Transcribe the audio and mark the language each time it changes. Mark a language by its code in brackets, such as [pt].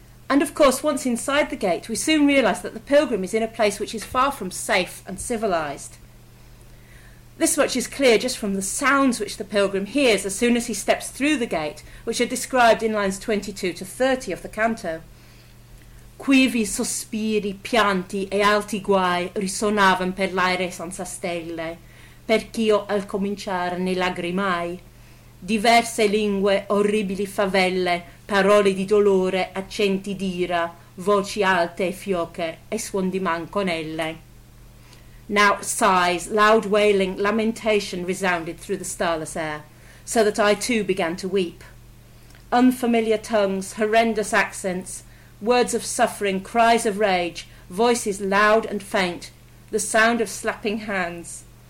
[en] And of course, once inside the gate, we soon realise that the pilgrim is in a place which is far from safe and civilised. This much is clear just from the sounds which the pilgrim hears as soon as he steps through the gate, which are described in lines 22 to 30 of the canto. [it] Quivi sospiri, pianti e alti guai risonavan per l'aere senza stelle, perch'io al cominciar ne lagrimai. Diverse lingue, orribili favelle, parole di dolore, accenti d'ira, voci alte e fioche, e suon di man con elle. [en] Now sighs, loud wailing, lamentation resounded through the starless air, so that I too began to weep. Unfamiliar tongues, horrendous accents, words of suffering, cries of rage, voices loud and faint, the sound of slapping hands.